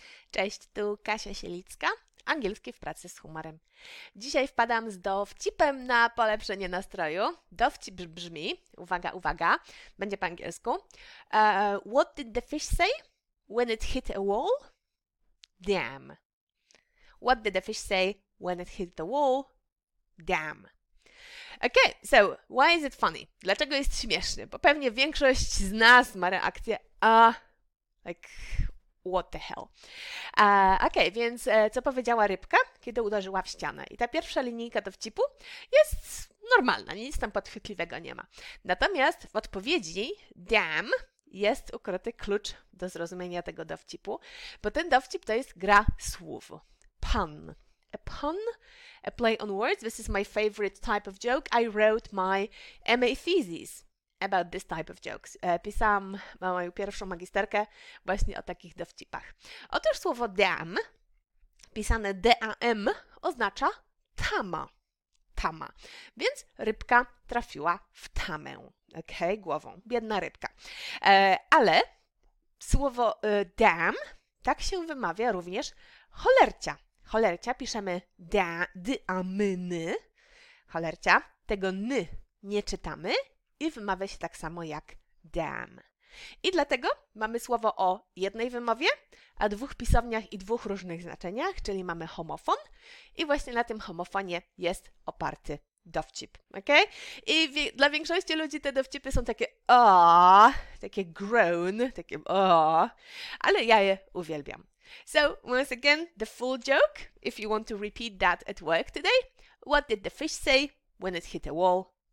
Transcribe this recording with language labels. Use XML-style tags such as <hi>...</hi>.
<pl>Cześć, tu Kasia Sielicka, angielski w pracy z humorem. Dzisiaj wpadam z dowcipem na polepszenie nastroju. Dowcip brzmi, uwaga, uwaga, będzie po angielsku.</pl> <en>What did the fish say when it hit a wall? Damn. What did the fish say when it hit the wall? Damn. Okay, so why is it funny?</en> <pl>Dlaczego jest śmieszny? Bo pewnie większość z nas ma reakcję</pl> <en>like what the hell.</en> <pl>Okay, więc co powiedziała rybka, kiedy uderzyła w ścianę? I ta pierwsza linijka do wcipu jest normalna, nic tam podchwytliwego nie ma. Natomiast w odpowiedzi damn jest ukryty klucz do zrozumienia tego dowcipu, bo ten dowcip to jest gra słów.</pl> <en>Pun. A pun, a play on words. This is my favorite type of joke. I wrote my MA thesis about this type of jokes.</en> <pl>Pisałam moją pierwszą magisterkę właśnie o takich dowcipach. Otóż słowo damn, pisane D-A-M, oznacza tama. Tama. Więc rybka trafiła w tamę. Okej, okay, głową. Biedna rybka. Ale słowo damn tak się wymawia również cholercia. Cholercia piszemy d-a-my-ny. Cholercia, tego ny nie czytamy i wymawia się tak samo jak damn. I dlatego mamy słowo o jednej wymowie, a dwóch pisowniach i dwóch różnych znaczeniach, czyli mamy homofon i właśnie na tym homofonie jest oparty dowcip. Okay? I dla większości ludzi te dowcipy są takie takie groan, takie ale ja je uwielbiam.</pl> <en>So, once again, the full joke, if you want to repeat that at work today. What did the fish say when it hit a wall?</en>